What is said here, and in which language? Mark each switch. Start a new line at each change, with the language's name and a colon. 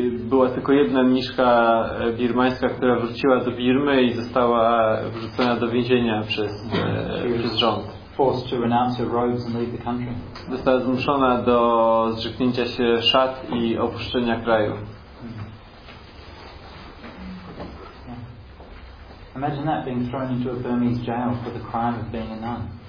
Polish: Była tylko jedna mniszka birmańska, która wróciła do Birmy i została wrzucona do więzienia przez rząd.
English: Forced to renounce her robes and leave the country.
Polish: Została zmuszona do zrzeknięcia się szat i opuszczenia kraju.
English: Imagine that, being thrown into a Burmese jail for the crime of being a nun.